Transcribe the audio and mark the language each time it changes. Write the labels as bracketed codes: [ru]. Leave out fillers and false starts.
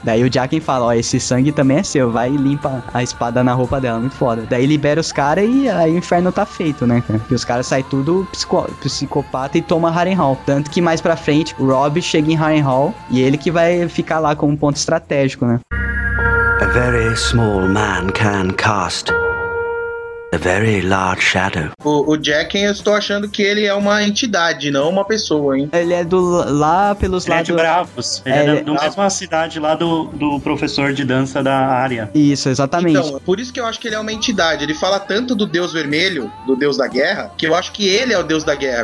[pt] Daí o Jaqen fala, ó, esse sangue também é seu, vai e limpa a espada na roupa dela, muito foda. Daí libera os caras e aí o inferno tá feito, né, cara? E os caras saem tudo psicopata e toma Harrenhal. Tanto que mais pra frente, o Robb chega em Harrenhal e ele que vai ficar lá como ponto estratégico, né? [en] A very small man can cast a very large shadow. [pt] O Jaqen, eu estou achando que ele é uma entidade, não uma pessoa, hein? Ele é do lá pelos lados... Ele é de Braavos. Ele é da mesma cidade lá do professor de dança da Arya. Isso, exatamente. Então, por isso que eu acho que ele é uma entidade. Ele fala tanto do Deus Vermelho, do Deus da Guerra, que eu acho que ele é o Deus da Guerra.